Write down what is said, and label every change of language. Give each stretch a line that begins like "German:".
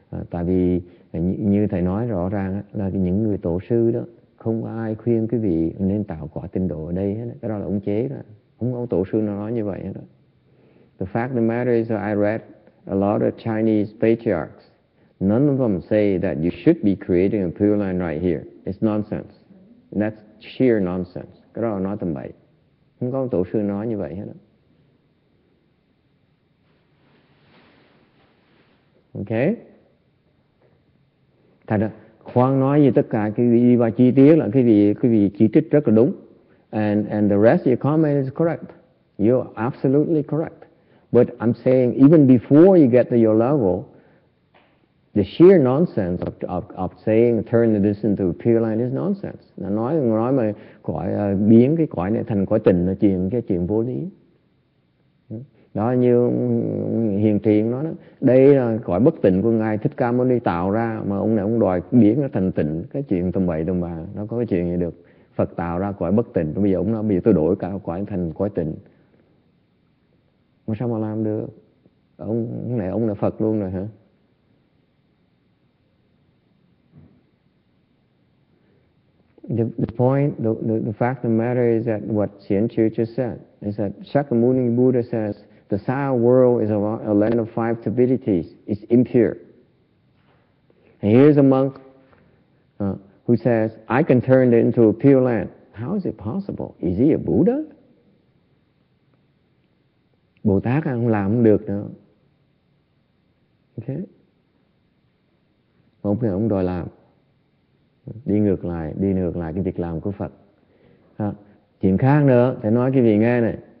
Vietnamese: Tại vì như thầy nói rõ ràng á là những người tổ sư đó không ai khuyên quý vị nên tạo quả tinh độ ở đây hết. Cái đó là ông chế đó. Không có tổ sư nào nói như vậy đó.
English: The fact of the matter is that I read a lot of Chinese patriarchs. None of them say that you should be creating a pure land right here. It's nonsense. That's sheer nonsense.
Vietnamese: Cái đó là nói tầm bậy. Không có tổ sư nói như vậy hết đó.
English: Okay.
Vietnamese: Thật đó. Khoan nói gì tất cả cái gì và chi tiết là cái gì chỉ trích rất là đúng.
English: And the rest of your comment is correct. You're absolutely correct. But I'm saying even before you get to your level, the sheer nonsense of saying turn this into a pure land is nonsense.
Vietnamese: Nói mà cõi biến cái cõi này thành cõi tình là chuyện cái chuyện vô lý. Đó như hiền thiện nói đó, đây là cõi bất tịnh của ngài Thích Ca Mâu Ni tạo ra mà ông này ông đòi biến nó thành tịnh, cái chuyện tầm bậy tầm bạ, nó có cái chuyện gì được. Phật tạo ra cõi bất tịnh, bây giờ ông nói bây giờ tôi đổi cả cõi thành cõi tịnh, mà sao mà làm được? Ông này Phật luôn rồi hả?
English: The fact of the matter is that what Xian Chu just said is that Shakyamuni Buddha says the sour world is a land of five turbidities, it's impure. And here's a monk who says, I can turn it into a pure land. How is it possible? Is he a Buddha?
Vietnamese: Bồ Tát không làm không được nữa. Okay. Ông thì ông đòi làm. Đi ngược lại cái việc làm của Phật. Chuyện khác nữa, thầy nói cái gì nghe này.